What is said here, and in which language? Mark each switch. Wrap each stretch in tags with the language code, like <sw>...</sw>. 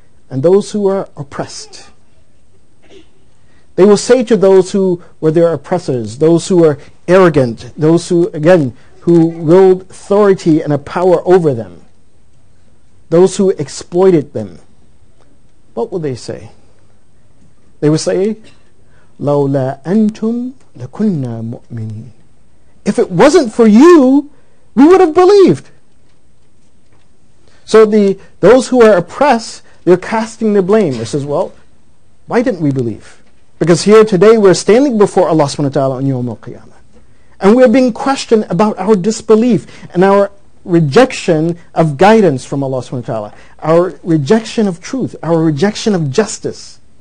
<en>And those who are oppressed, they will say to those who were their oppressors, those who are arrogant, those who, again, who wield authority and a power over them, those who exploited them, what will they say? They will say,</en> <ar>لَوْلَا أَنْتُمْ لَكُنَّا مُؤْمِنِينَ.</ar> <en>If it wasn't for you, we would have believed. So those who are oppressed, they're casting the blame. They says, well, why didn't we believe? Because here today we're standing before Allah subhanahu wa ta'ala on Yawm al-Qiyamah. And we're being questioned about our disbelief and our rejection of guidance from Allah subhanahu wa ta'ala, our rejection of truth, our rejection of justice.</en>